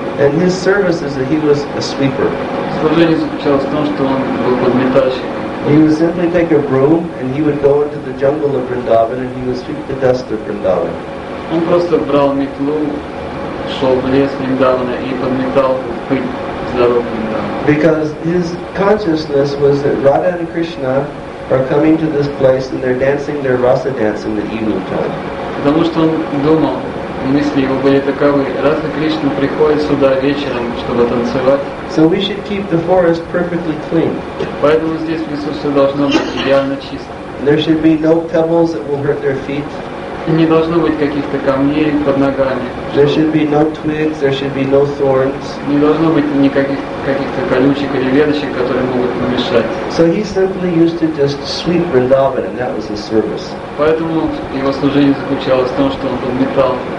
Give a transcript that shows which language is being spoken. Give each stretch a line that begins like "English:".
English: And his service is that he was a sweeper.
Russian: Служение заключалось в том, что он был подметальщиком.
English: He would simply take a broom and he would go into the jungle of Vrindavan and he would sweep the dust of Vrindavan.
Russian: Он просто брал метлу, шел в лес Вриндавана и подметал пыль с дорог Вриндавана.
English: Because his consciousness was that Radha and Krishna are coming to this place and they're dancing their rasa dance in the evening time.
Russian: Потому что он думал, мысли его были таковы: Радха Кришна приходит сюда вечером, чтобы танцевать.
English: So we should keep the forest perfectly clean.
Russian: Поэтому здесь в лесу все должно быть идеально чисто.
English: There should be no pebbles that will hurt their feet.
Russian: И не должно быть каких-то камней под ногами.
English: There should be no twigs, there should be no thorns.
Russian: Не должно быть никаких каких-то колючек или веточек, которые могут помешать.
English: So he simply used to just sweep Vrindavan, and that was his service.
Russian: Поэтому его служение заключалось в том, что он подметал.